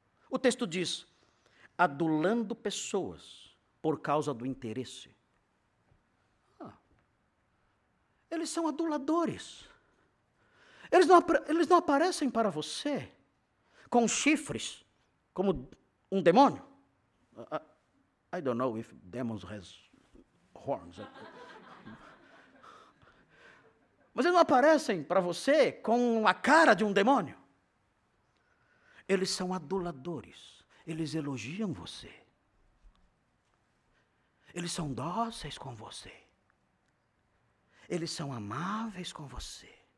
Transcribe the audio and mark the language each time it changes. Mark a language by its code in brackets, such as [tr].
[pt] O texto diz, adulando pessoas por causa do interesse. Eles são aduladores. Eles não aparecem para você com chifres, como um demônio. [en] I don't know if demons has horns. [pt] Mas eles não aparecem para você com a cara de um demônio. Eles são aduladores. Eles elogiam você. Eles são dóceis com você. Eles são amáveis com você.